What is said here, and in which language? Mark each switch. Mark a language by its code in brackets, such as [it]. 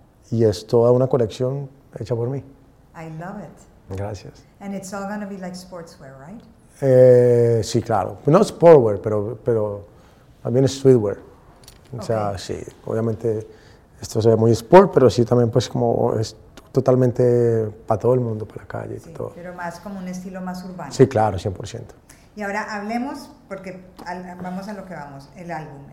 [es] Y es toda una colección hecha por mí. [en] I love it. [es] Gracias. [en] And it's all going to be like sportswear, right? [es] Sí, claro. No sportswear, pero también es streetwear. O sea, okay. Sí, obviamente esto se ve muy sport, pero sí también pues como es totalmente para todo el mundo, para la calle y sí, todo. Pero más como un estilo más urbano. Sí, claro, 100%. Y ahora hablemos, porque vamos a lo que vamos, el álbum.